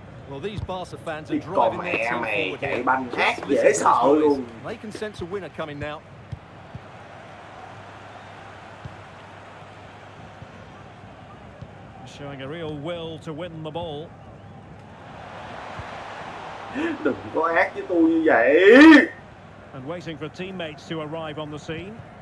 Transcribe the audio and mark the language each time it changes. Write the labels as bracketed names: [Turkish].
[English] Well, these Barca fans are driving their team forward here. [Vietnamese] Dễ sợ luôn. [English] They can sense a winner coming now. Showing a real will to win the ball. [Vietnamese] Đừng có ác với tôi như vậy. [English] And waiting for teammates to arrive on the scene.